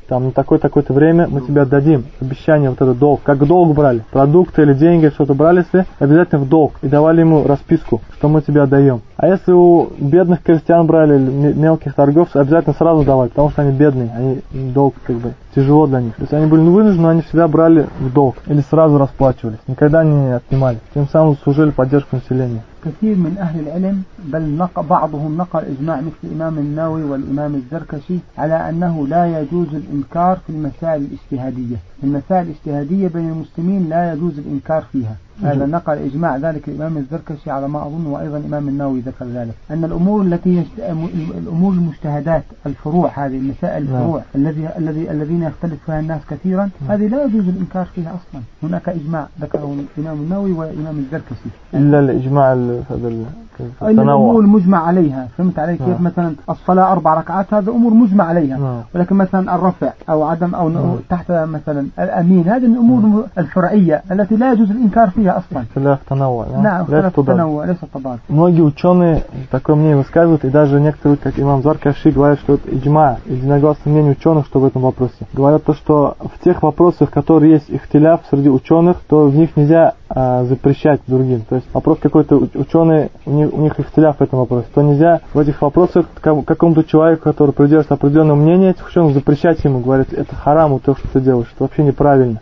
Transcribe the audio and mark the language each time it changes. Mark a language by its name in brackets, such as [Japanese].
[Russian] Там на такое-то время мы тебе отдадим. Обещание. Вот этот долг, как долг брали, продукты или деньги, что-то брали, если обязательно в долг, и давали ему расписку, что мы тебе отдаем. А если у бедных крестьян брали, или мелких торговцев, обязательно сразу давали, потому что они бедные, они долг как бы тяжело для них. То есть они были вынуждены, но они всегда брали в долг или сразу расплачивались, никогда не отнимали, тем самым служили поддержку населения. [Arabic] كثير من أهل العلم بل بعضهم نقل إجماع مثل الإمام النووي والإمام الزركشي على أنه لا يجوز الإنكار في المسائل الاجتهادية. المسائل الاجتهادية بين المسلمين لا يجوز الإنكار فيها. هذا نقل إجماع ذلك الإمام الزركشي على ما أظن، وأيضا الإمام النووي ذكر ذلك، أن الأمور التي الأمور المجتهدات الفروع، هذه المسائل الفروع الذين يختلف فيها الناس كثيرا، هذه لا يجوز الإنكار فيها أصلا. هناك إجماع ذكره الإمام النووي والإمام الزركشي إلا الإجماع هذا الأمور المجمع عليها، فهمت علي كيف؟ مثلا الصلاة 4 ركعات هذا أمور مجمع عليها، ولكن مثلا الرفع أو عدم أو تحت مثلا الأمين، هذه الأمور الفرعية التي لا يجوز الإنكار فيها أصلا. خلاف تنوع. خلاف تنوع ليس طبعا. [Russian] многие ученые такое мнение высказывают, и даже некоторые, как имам Заркаши, говорят, что это иджма, единогласное мнение ученых, что в этом вопросе. Говорят то, что в тех вопросах, которые есть ихтиляф среди ученых, то в них нельзя запрещать другим. То есть вопрос какой-то ученый, у них ихтиляф в этом вопросе, то нельзя в этих вопросах какому-то человеку, который придерживает определенное мнение этих ученых, запрещать ему, говорить, это харам, то, что ты делаешь, это вообще неправильно.